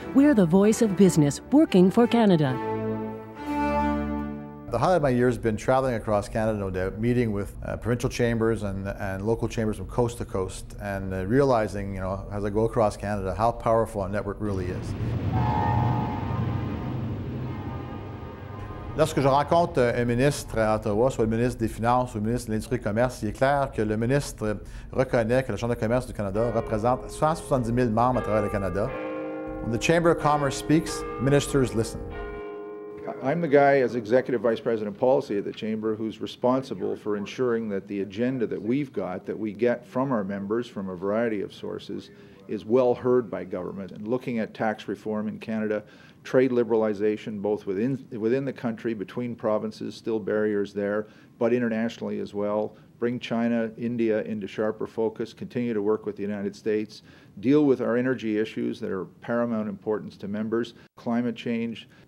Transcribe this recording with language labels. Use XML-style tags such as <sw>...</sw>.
<en>We're the voice of business working for Canada. The highlight of my year has been traveling across Canada, no doubt, meeting with provincial chambers and local chambers from coast to coast, and realizing, you know, as I go across Canada, how powerful our network really is.</en> <fr>Lorsque je rencontre un ministre à Ottawa, soit le ministre des Finances ou le ministre de l'Industrie et du Commerce, il est clair que le ministre reconnaît que la Chambre de commerce du Canada représente 170 000 membres à travers le Canada.</fr> <en>When the Chamber of Commerce speaks, ministers listen. I'm the guy, as Executive Vice President of Policy at the Chamber, who's responsible for ensuring that the agenda that we've got, that we get from our members from a variety of sources, is well heard by government. And looking at tax reform in Canada, trade liberalization, both within the country, between provinces, still barriers there, but internationally as well, bring China, India into sharper focus, continue to work with the United States, deal with our energy issues that are paramount importance to members, climate change.</en>